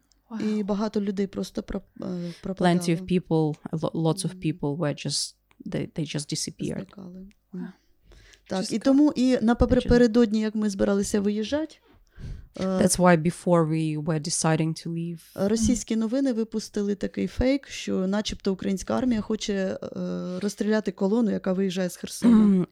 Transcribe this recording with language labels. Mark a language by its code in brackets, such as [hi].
[uk] Wow. І багато людей просто пропадали. [en] Plenty of people, lots of people were just, they just disappeared. Wow. [uk] Так, just і тому, і напередодні, як ми збиралися виїжджати. [en] That's why before we were deciding to leave. [uk] Російські новини випустили такий фейк, що начебто українська армія хоче розстріляти колону, яка виїжджає з Херсона.